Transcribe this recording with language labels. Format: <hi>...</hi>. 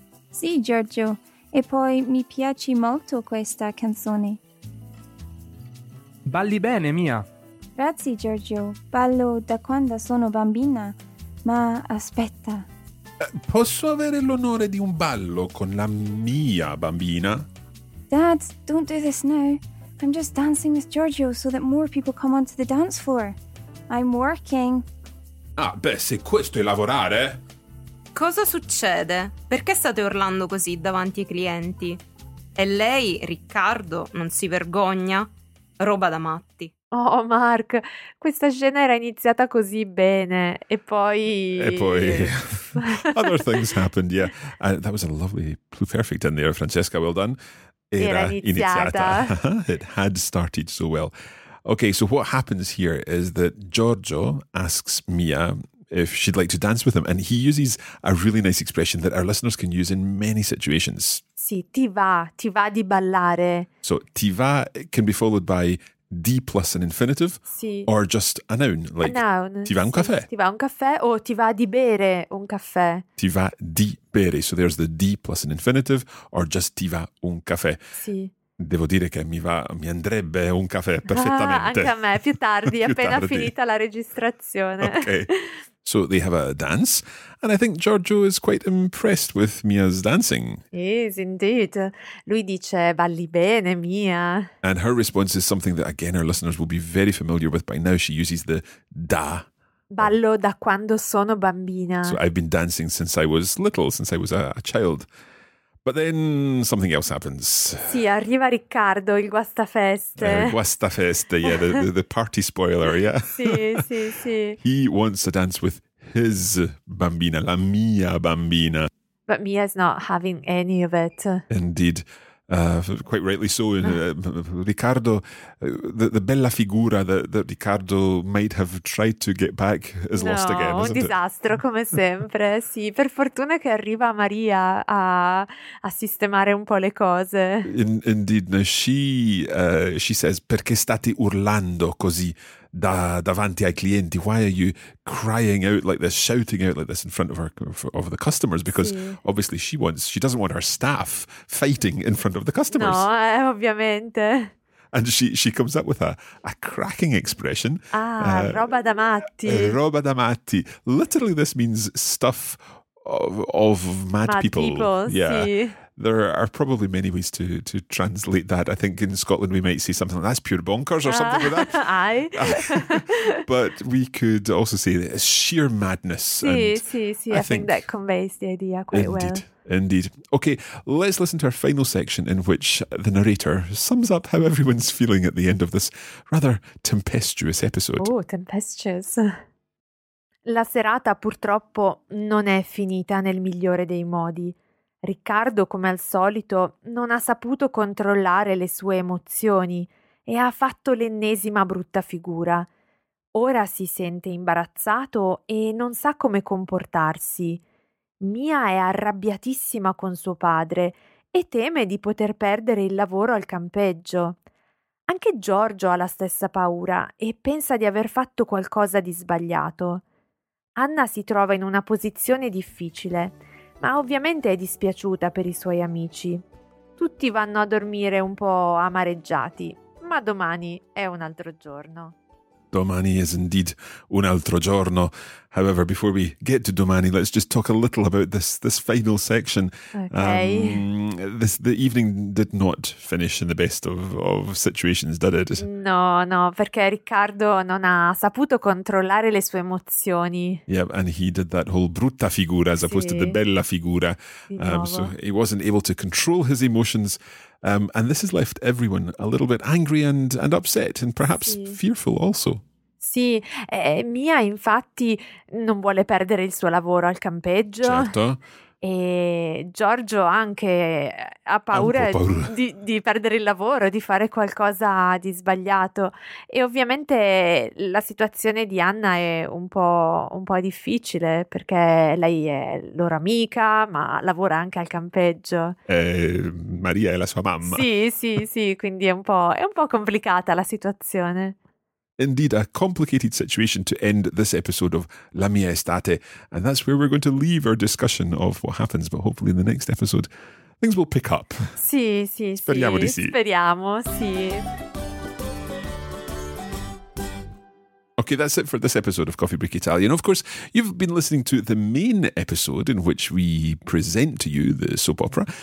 <it>Sì, Giorgio. E poi mi piace molto questa canzone. Balli bene, Mia. Grazie, Giorgio. Ballo da quando sono bambina. Ma aspetta. Posso avere l'onore di un ballo con la mia bambina?</it> <en>Dad, don't do this now. I'm just dancing with Giorgio so that more people come onto the dance floor. I'm working.</en> <it>Ah, beh, se questo è lavorare... Cosa succede? Perché state urlando così davanti ai clienti? E lei, Riccardo, non si vergogna? Roba da matti. Oh, Mark, questa scena era iniziata così bene. E poi... E poi...</it> <en>Other things happened, yeah. That was a lovely pluperfect in there, Francesca, well done. Era iniziata. It had started so well. Okay, so what happens here is that Giorgio asks Mia if she'd like to dance with him. And he uses a really nice expression that our listeners can use in many situations.</en> <it>Sì, ti va di ballare.</it> <en>So, ti va can be followed by D plus an infinitive.</en> <it>Sì.</it> <en>Or just a noun, like a noun.</en> <it>Ti va un caffè. Ti va un caffè o ti va di bere un caffè. Ti va di bere.</it> <en>So, there's the D plus an infinitive or just</en> <it>ti va un caffè. Sì. Devo dire che mi andrebbe un caffè perfettamente. Ah, anche a me, più tardi, più appena tardi. Finita la registrazione.</it> <en>Okay. So they have a dance, and I think Giorgio is quite impressed with Mia's dancing. Yes, indeed.</en> <it>Lui dice, balli bene, Mia.</it> <en>And her response is something that, again, our listeners will be very familiar with by now. She uses the da.</en> <it>Ballo da quando sono bambina.</it> <en>So I've been dancing since I was little, since I was a child. But then something else happens.</en> <it>Sì, arriva Riccardo, il guastafeste.</it> <en>Guastafeste, yeah, the party spoiler, yeah.</en> <it>Sì, sì, sì.</it> <en>He wants to dance with his bambina,</en> <it>la mia bambina.</it> <en>But Mia's not having any of it. Indeed. Quite rightly so. Riccardo, the bella figura that Riccardo might have tried to get back is lost again, isn't it?</en> <it>No, un disastro come sempre. Sì, per fortuna che arriva Maria a sistemare un po' le cose.</it> <en>Indeed, now she says,</en> <it>perché state urlando così davanti ai clienti?</it> <en>Why are you crying out like this, shouting out like this in front of the customers? Because</en> <it>sì.</it> <en>Obviously she doesn't want her staff fighting in front of the customers.</en> <it>No, ovviamente.</it> <en>And she comes up with a cracking expression.</en> <it>Ah, roba da matti. Roba da matti.</it> <en>Literally, this means stuff of mad people. Mad people, yeah.</en> <it>Sì.</it> <en>There are probably many ways to translate that. I think in Scotland we might say something like, that's pure bonkers or something like that. Aye. But we could also say that it's sheer madness.</en> <it>Sì, sì, sì.</it> <en>I think that conveys the idea quite indeed, well. Indeed. Okay, let's listen to our final section in which the narrator sums up how everyone's feeling at the end of this rather tempestuous episode. Oh, tempestuous.</en> <it>La serata purtroppo non è finita nel migliore dei modi. Riccardo, come al solito, non ha saputo controllare le sue emozioni e ha fatto l'ennesima brutta figura. Ora si sente imbarazzato e non sa come comportarsi. Mia è arrabbiatissima con suo padre e teme di poter perdere il lavoro al campeggio. Anche Giorgio ha la stessa paura e pensa di aver fatto qualcosa di sbagliato. Anna si trova in una posizione difficile, ma ovviamente è dispiaciuta per i suoi amici. Tutti vanno a dormire un po' amareggiati, ma domani è un altro giorno. Domani</it> <en>is indeed</en> <it>un altro giorno.</it> <en>However, before we get to domani, let's just talk a little about this final section. Okay. The evening did not finish in the best of situations, did it?</en> <it>No, perché Riccardo non ha saputo controllare le sue emozioni.</it> <en>Yeah, and he did that whole brutta figura as opposed</en> <it>sì.</it> <en>to the bella figura. So he wasn't able to control his emotions. And this has left everyone a little bit angry and upset and perhaps</en> <it>sì.</it> <en>fearful also.</en> <it>Sì, Mia infatti non vuole perdere il suo lavoro al campeggio. Certo. E Giorgio anche ha paura, di perdere il lavoro, di fare qualcosa di sbagliato. E ovviamente la situazione di Anna è un po' difficile perché lei è loro amica, ma lavora anche al campeggio. Maria è la sua mamma. Sì, quindi è un po' complicata la situazione.</it> <en>indeed a complicated situation to end this episode of La Mia Estate. And that's where we're going to leave our discussion of what happens. But hopefully in the next episode, things will pick up.</en> <it>Sì, sì, speriamo sì. Di sì. Speriamo, sì.</it> <en>Okay, that's it for this episode of Coffee Break Italian. Of course, you've been listening to the main episode in which we present to you the soap opera.</en>